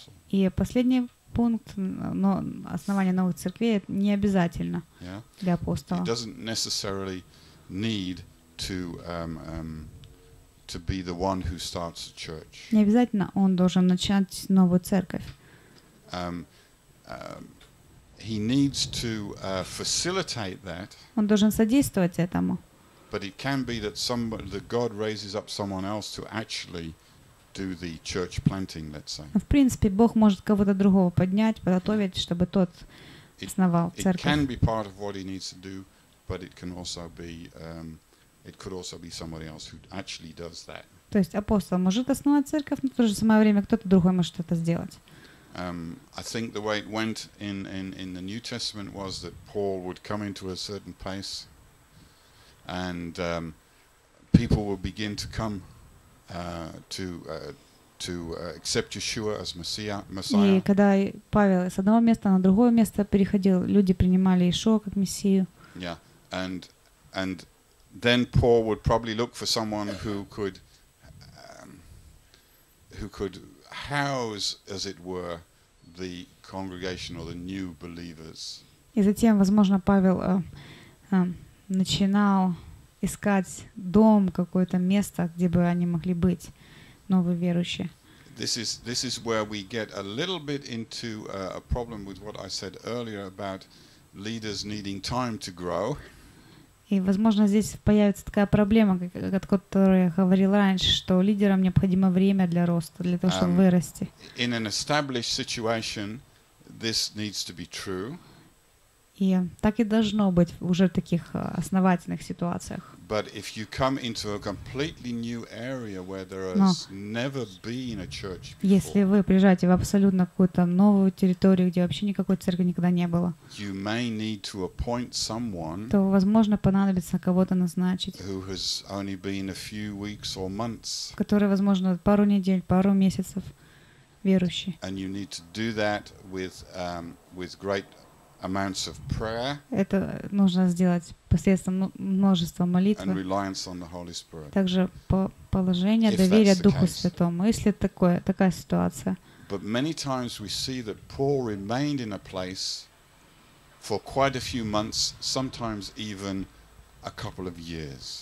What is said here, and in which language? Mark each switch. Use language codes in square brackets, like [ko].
[ru] И последний пункт, но основание новых церквей не обязательно для апостола. [en] It doesn't necessarily need to to be the one who starts a church. [ru] Не обязательно он должен начать новую церковь. [en] He needs to facilitate that. [ru] Он должен содействовать этому. [en] But it can be that that God raises up someone else to actually do the church planting, let's say. [ru] В принципе, Бог может кого-то другого поднять, подготовить, чтобы тот основал церковь. [en] It can be part of what he needs to do, but it can also be it could also be somebody else who actually does that. [ru] То есть апостол может основать церковь, но в то же самое время кто-то другой может это сделать. [en] I think the way it went in the New Testament was that Paul would come into a certain place and people would begin to come accept Yeshua as Messiah. [ru] И когда Павел с одного места на другое место переходил, люди принимали Иешуа как Мессию. [en] Yeah. And then Paul would probably look for someone who could house, as it were, the congregation or the new believers. [ru] И затем, возможно, Павел начинал искать дом, какое-то место, где бы они могли быть, новые верующие. [en] This is where we get a little bit into a problem with what I said earlier about leaders needing time to grow. [ru] И, возможно, здесь появится такая проблема, о которой я говорил раньше, что лидерам необходимо время для роста, для того, чтобы вырасти. [en] In an established situation, this needs to be true. [ru] И так и должно быть в уже таких основательных ситуациях. [en] But if you come into a completely new area where there has never been a church before, [ru] если вы приезжаете в абсолютно какую-то новую территорию, где вообще никакой церкви никогда не было, [en] you may need to appoint someone, [ru] то возможно понадобится кого-то назначить, [en] who has only been a few weeks or months, [ru] который, возможно, пару недель, пару месяцев верующий, [en] and you need to do that with great amounts of prayer. [ru] Это нужно сделать посредством множества молитв. [en] And reliance on the Holy Spirit. [ru] Также по положению доверия Духу Святому. Если такое, такая ситуация. [en] But many times we see that Paul remained in a place for quite a few months, sometimes even a couple of years.